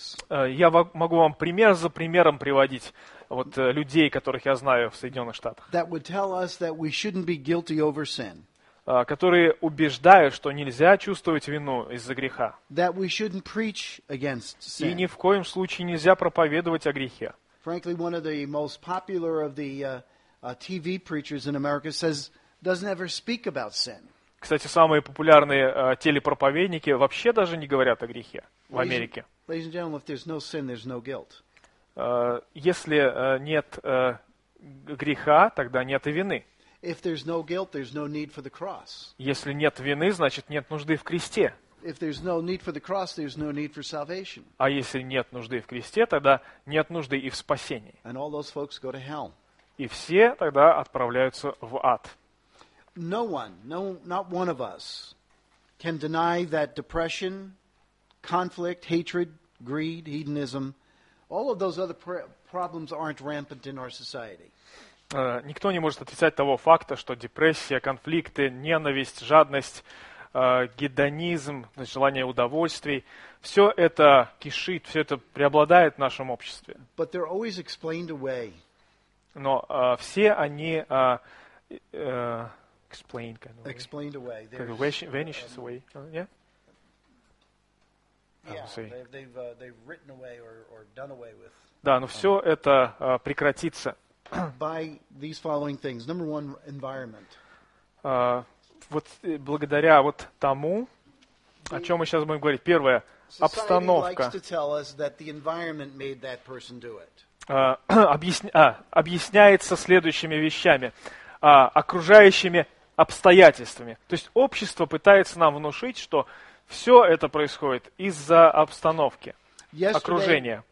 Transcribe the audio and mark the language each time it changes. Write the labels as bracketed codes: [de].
[ru] Я могу вам пример за примером приводить вот людей, которых я знаю в Соединенных Штатах. [en] That would tell us that we shouldn't be guilty over sin. [ru] Которые убеждают, что нельзя чувствовать вину из-за греха. [en] That we shouldn't preach against sin. [ru] И ни в коем случае нельзя проповедовать о грехе. [en] Frankly, one of the most popular of the TV preachers in America says doesn't ever speak about sin. [ru] Кстати, самые популярные телепроповедники вообще даже не говорят о грехе в Америке. [en] Ladies and gentlemen, if there's no sin, there's no guilt. [ru] Если нет греха, тогда нет и вины. [en] If there's no guilt, there's no need for the cross. [ru] Если нет вины, значит нет нужды в кресте. [en] If there's no need for the cross, there's no need for salvation. [ru] А если нет нужды в кресте, тогда нет нужды и в спасении. [en] And all those folks go to hell. [ru] И все тогда отправляются в ад. [en] No one, no, not one of us, can deny that depression, conflict, hatred, greed, hedonism, all of those other problems aren't rampant in our society. [ru] Никто не может отрицать того факта, что депрессия, конфликты, ненависть, жадность, гедонизм, желание удовольствий, все это кишит, все это преобладает в нашем обществе. [en] But they're always explained away. [ru] Но все они [en] explained, kind of explained away. Vanishes away. They've written away or done away with. [ru] Да, но все это прекратится. [en] By these following things. Number one, environment. [ru] Вот благодаря вот тому, о чем мы сейчас будем говорить. Первое, обстановка. [en] Society likes to tell us that the environment made that person do it. [ru] Объясняется следующими вещами, окружающими обстоятельствами. То есть общество пытается нам внушить, что Все это происходит из-за обстановки, окружения.